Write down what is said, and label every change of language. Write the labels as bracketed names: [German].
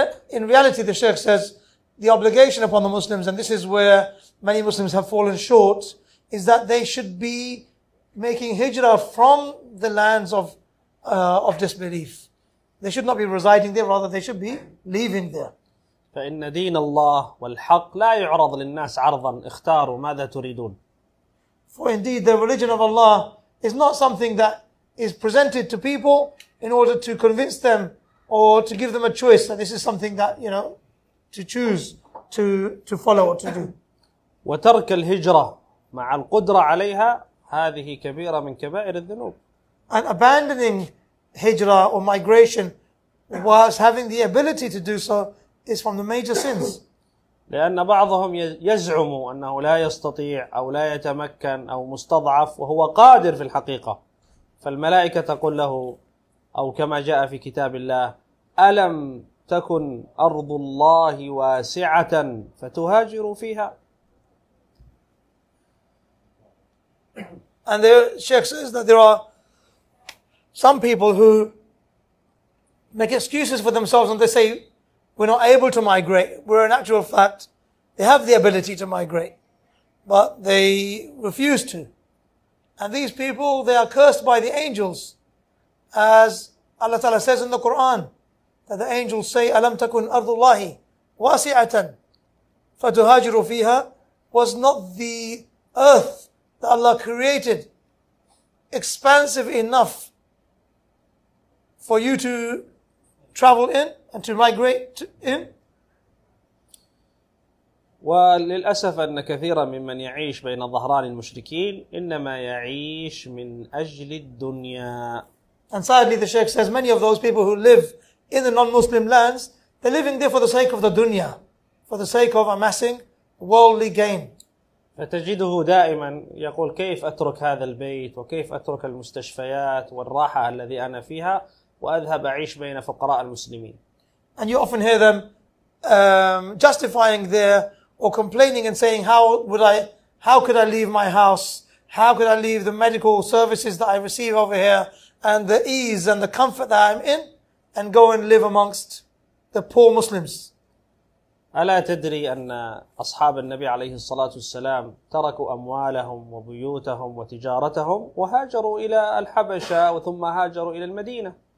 [English] In reality, the Sheikh says, the obligation upon the Muslims, and this is where many Muslims have fallen short, is that they should be making hijrah from the lands of disbelief. They should not be residing there, rather they should be leaving there. [Arabic] فإن دين الله والحق لا يعرض للناس عرضا، اختاروا ماذا تريدون. [English] For indeed the religion of Allah is not something that is presented to people in order to convince them or to give them a choice, that this is something that, you know, to choose to follow or to do. [Arabic] وترك الهجرة مع القدرة عليها، هذه كبيرة من كبائر الذنوب. [English] And abandoning hijrah or migration whilst having the ability to do so is from the major sins. [Arabic] لأن بعضهم يزعم أنه لا يستطيع أو لا يتمكن أو مستضعف وهو قادر في الحقيقة، فالملائكة تقول له أو كما جاء في كتاب الله: ألم تكن أرض الله واسعة فتهاجروا فيها. [English] And the Sheikh says that there are some people who make excuses for themselves and they say, we're not able to migrate, where in actual fact they have the ability to migrate, but they refuse to. And these people, they are cursed by the angels, as Allah Ta'ala says in the Quran, that the angels say, [Arabic] أَلَمْ تَكُنْ أَرْضُ اللَّهِ وَاسِعَةً فَتُهَاجِرُوا فِيهَا. [English] Was not the earth that Allah created expansive enough for you to travel in and to migrate in? [Arabic] وللأسف أن كثيرا ممن يعيش بين ظهران المشركين إنما يعيش من أجل الدنيا. [English] And sadly, the Sheikh says many of those people who live in the non-Muslim lands, they're living there for the sake of the dunya, for the sake of amassing worldly gain. [Arabic] فتجده دائما يقول: كيف أترك هذا البيت وكيف أترك المستشفيات والراحة الذي أنا فيها وأذهب أعيش بين فقراء المسلمين. [English] And you often hear them justifying their or complaining and saying, how could I leave my house How could I leave the medical services that I receive over here and the ease and the comfort that I'm in and go and live amongst the poor Muslims? [Arabic] ألا تدري أن أصحاب النبي عليه الصلاة والسلام تركوا أموالهم وبيوتهم وتجارتهم وهاجروا إلى الحبشة وثم هاجروا إلى المدينة؟